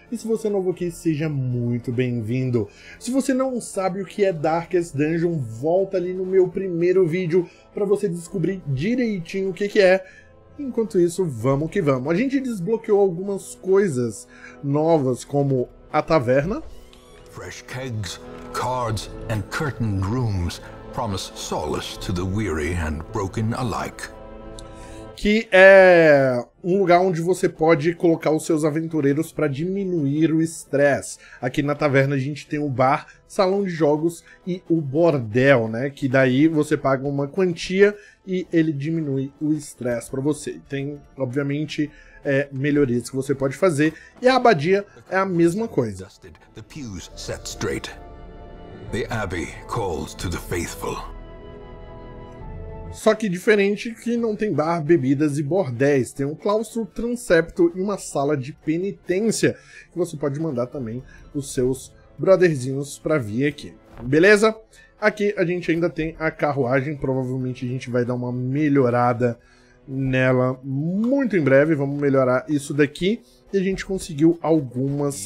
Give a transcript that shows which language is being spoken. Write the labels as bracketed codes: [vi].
[pt] E se você é novo aqui, seja muito bem-vindo. Se você não sabe o que é Darkest Dungeon, volta ali no meu primeiro vídeo para você descobrir direitinho o que é. Enquanto isso, vamos que vamos. A gente desbloqueou algumas coisas novas, como a taverna. [en] Fresh kegs, cards, and curtained rooms promise solace to the weary and broken alike. [pt] Que é um lugar onde você pode colocar os seus aventureiros para diminuir o estresse. Aqui na taverna a gente tem o bar, salão de jogos e o bordel, né? Que daí você paga uma quantia e ele diminui o estresse para você. Tem, obviamente, melhorias que você pode fazer. E a abadia é a mesma coisa. [en] Dusted, the pews set straight. The abbey calls to the faithful. [pt] Só que diferente que não tem bar, bebidas e bordéis, tem um claustro transepto e uma sala de penitência que você pode mandar também os seus brotherzinhos para vir aqui. Beleza? Aqui a gente ainda tem a carruagem, provavelmente a gente vai dar uma melhorada nela muito em breve, vamos melhorar isso daqui e a gente conseguiu algumas